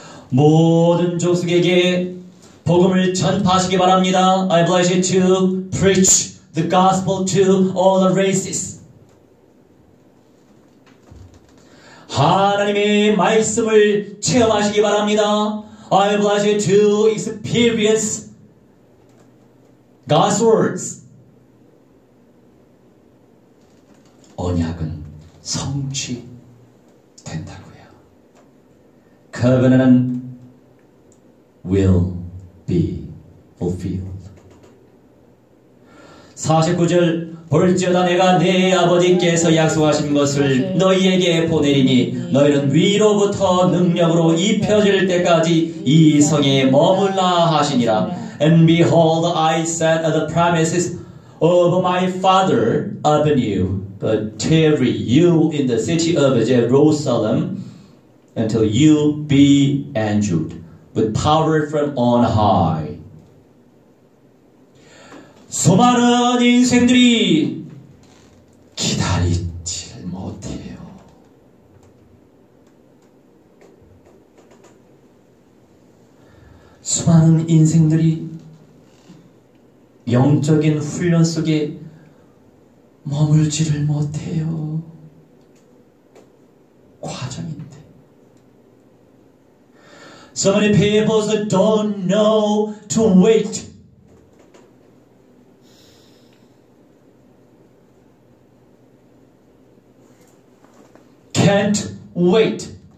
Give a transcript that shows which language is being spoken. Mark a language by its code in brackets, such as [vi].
[ko] 모든 족속에게 복음을 전파하시기 바랍니다. [en] I bless you to preach the gospel to all the races. [ko] 하나님의 말씀을 체험하시기 바랍니다. [en] I bless you to experience God's words. [ko] 언약은 성취된다고요. [en] Covenant은 will be fulfilled. [ko] 49절 볼지어다 내가 내 아버지께서 약속하신 것을 너희에게 보내리니 너희는 위로부터 능력으로 입혀질 때까지 이 성에 머물라 하시니라. [en] And behold, I set the promises of my father upon you, but tarry you in the city of Jerusalem until you be endued with power from on high. [ko] 수많은 인생들이 기다리질 못해요. 수많은 인생들이 영적인 훈련 속에 머물지를 못해요. 과정인데. [en] So many people that don't know to wait. 'Can't wait.'